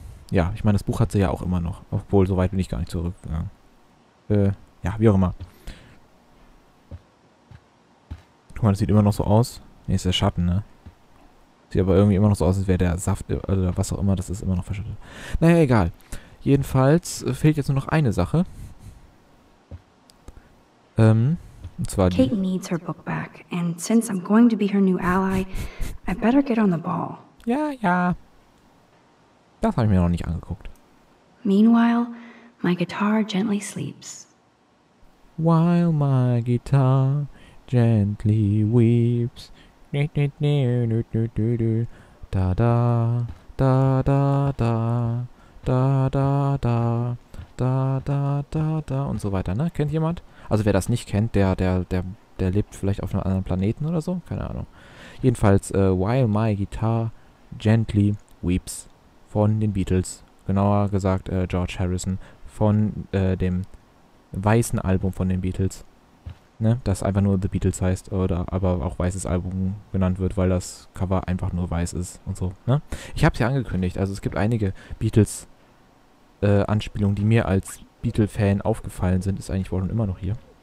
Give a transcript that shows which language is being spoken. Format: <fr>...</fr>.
<de>Ja, ich meine, das Buch hat sie ja auch immer noch. Obwohl, so weit bin ich gar nicht zurück. Ja. Ja, wie auch immer. Guck mal, das sieht immer noch so aus. Nee, ist der Schatten, ne? Sieht aber irgendwie immer noch so aus, als wäre der Saft oder was auch immer, das ist immer noch verschüttet. Naja, egal. Jedenfalls fehlt jetzt nur noch eine Sache. Und zwar die.</de> <en>Kate needs her book back. And since I'm going to be her new ally, I better get on the ball.</en> <de>Ja, ja. Das habe ich mir noch nicht angeguckt.</de> <en>Meanwhile, my guitar gently sleeps. While my guitar gently weeps. Da da da da da da da da da da da da</en> <de>und so weiter, ne? Kennt jemand? Also wer das nicht kennt, der lebt vielleicht auf einem anderen Planeten oder so? Keine Ahnung. Jedenfalls,</de> <en>while my guitar gently weeps.</en> <de>Von den Beatles, genauer gesagt George Harrison, von dem weißen Album von den Beatles, ne, das einfach nur The Beatles heißt, oder aber auch weißes Album genannt wird, weil das Cover einfach nur weiß ist und so, ne. Ich habe es ja angekündigt, also es gibt einige Beatles Anspielungen, die mir als Beatle-Fan aufgefallen sind, ist eigentlich wohl und immer noch hier.</de>